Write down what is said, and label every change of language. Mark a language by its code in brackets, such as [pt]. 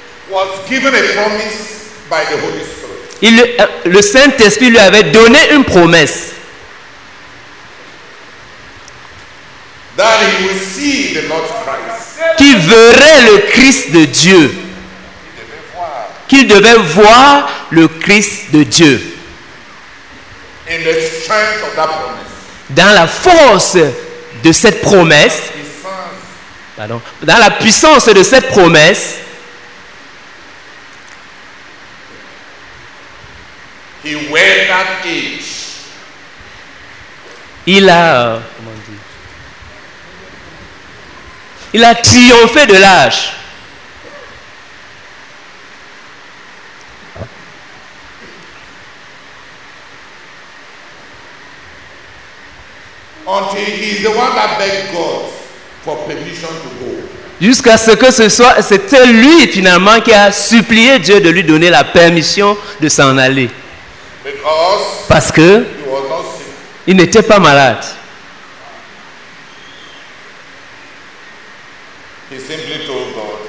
[en] was given a promise by the Holy Spirit. [fr] Le Saint-Esprit lui avait donné une promesse. [en] That he would see the Lord Christ. [fr] Qu'il verrait le Christ de Dieu. Qu'il devait voir le Christ de Dieu. [en] In the strength of that promise. [fr] Dans la force de cette promesse. Pardon. Dans la puissance de cette promesse. [en] He wore that age. [fr] Il a triomphé de l'âge. [en] Until he is the one that begged God for permission to go. [fr] Jusqu'à ce que c'était lui finalement qui a supplié Dieu de lui donner la permission de s'en aller. [en] Because [fr] parce que [en] he was not sick. [fr] Il n'était pas malade. [en] He simply told God.